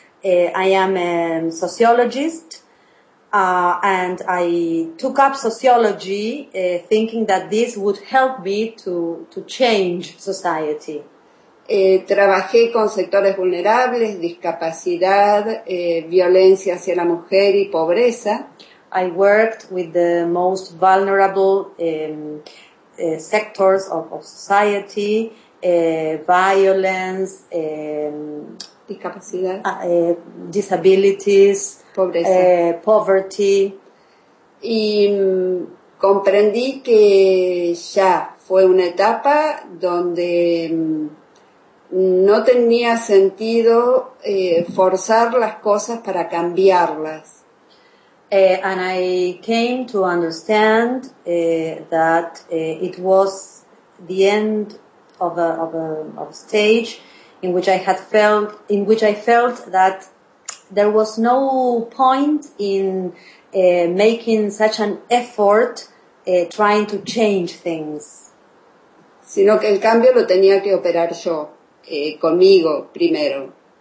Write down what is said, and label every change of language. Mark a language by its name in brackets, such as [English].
[English] I am a sociologist, and I took up sociology thinking that this would help me to change society. [Spanish] Trabajé con sectores vulnerables, discapacidad, violencia hacia la mujer y pobreza. [English] I worked with the most vulnerable sectors of society, violence, [Spanish] discapacidad, [English] disabilities, [Spanish] pobreza, [English] poverty. [Spanish] Y comprendí que ya fue una etapa donde no tenía sentido forzar las cosas para cambiarlas. [English] And I came to understand that it was the end of a stage in which I had felt, in which I felt that there was no point in making such an effort trying to change things. [Spanish] Sino que el cambio lo tenía que operar yo, conmigo primero.